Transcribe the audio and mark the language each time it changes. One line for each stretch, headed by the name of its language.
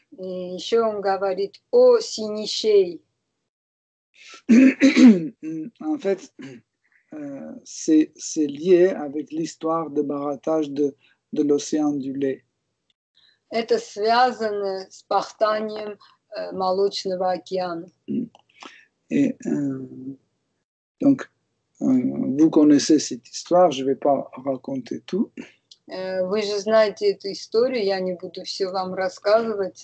Russian: Et еще он говорит о синичей.
French: En fait. C'est lié avec l'histoire de barattage de l'océan du lait.
Russian: Это связано с пахтанием молочного океана.
French: Et donc vous connaissez cette histoire, je vais pas raconter tout.
Russian: Вы же знаете эту историю, я не буду все вам рассказывать.